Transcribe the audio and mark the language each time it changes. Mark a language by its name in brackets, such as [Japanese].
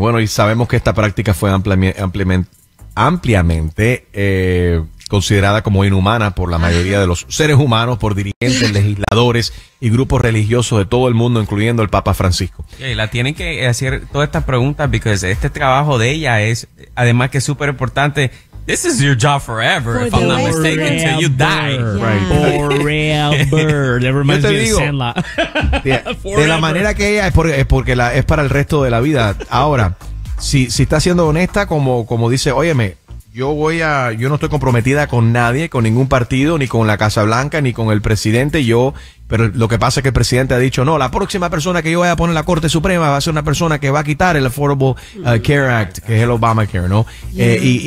[Spanish] Bueno, y sabemos que esta práctica fue ampliamente considerada como inhumana por la mayoría de los seres humanos, por dirigentes, legisladores y grupos religiosos de todo el mundo, incluyendo el Papa Francisco. Okay, la tienen que hacer todas estas preguntas porque este trabajo de ella es, además que es súper importante. [English] This is your job forever, if I'm not mistaken, until you die. Yeah. Right. Forever. That reminds me of Sandlot. Yeah. [Spanish] De la manera que ella es para el resto de la vida. Ahora, si está siendo honesta, como dice, óyeme, yo no estoy comprometida con nadie, con ningún partido, ni con la Casa Blanca, ni con el presidente, pero lo que pasa es que el presidente ha dicho, no, la próxima persona que yo vaya a poner en la Corte Suprema va a ser una persona que va a quitar el Affordable Care Act, que es el Obamacare, ¿no? Yeah.